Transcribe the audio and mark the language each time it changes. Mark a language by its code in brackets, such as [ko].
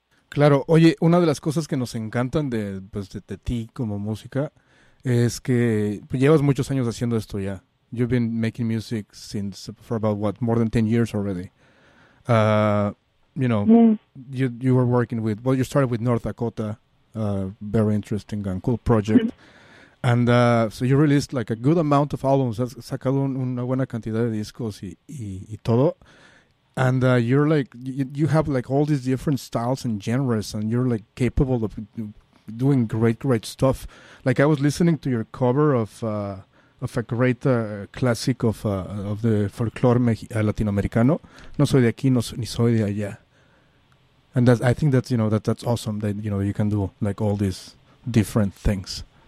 [es] Claro, oye, una de las cosas que nos encantan de, pues, de ti como música es que pues, llevas muchos años haciendo esto ya. [en] You've been making music since for about what, more than 10 years already. You were working with, well, you started with North Dakota, very interesting and cool project. And so you released like a good amount of albums, [es] has sacado una buena cantidad de discos y todo. [en] And you're like, you have like all these different styles and genres, and you're like capable of doing great, great stuff. Like I was listening to your cover of a great classic of the folklore Latinoamericano. [es] No soy de aquí, ni soy de allá. [en] And that's, I think that's, you know, that's awesome that, you know, you can do like all these different things.